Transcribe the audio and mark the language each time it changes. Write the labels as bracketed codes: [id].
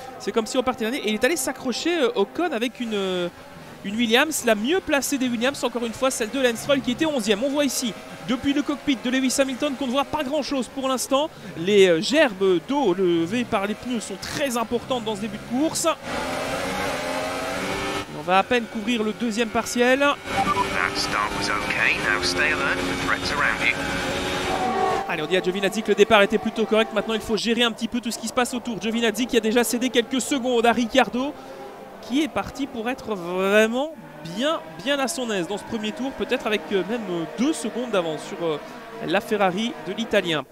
[fr] C'est comme si on partait l'année. Et il est allé s'accrocher Ocon avec une Williams, la mieux placée des Williams, encore une fois, celle de Lance Stroll qui était 11e. On voit ici, depuis le cockpit de Lewis Hamilton, qu'on ne voit pas grand-chose pour l'instant. Les gerbes d'eau levées par les pneus sont très importantes dans ce début de course. On va à peine couvrir le deuxième partiel. [en] That start was okay. Now stay alert for threats around you. [fr] Allez, on dit à Giovinazzi que le départ était plutôt correct. Maintenant, il faut gérer un petit peu tout ce qui se passe autour. Giovinazzi qui a déjà cédé quelques secondes à Ricciardo, qui est parti pour être vraiment bien, bien à son aise dans ce premier tour, peut-être avec même 2 secondes d'avance sur la Ferrari de l'Italien.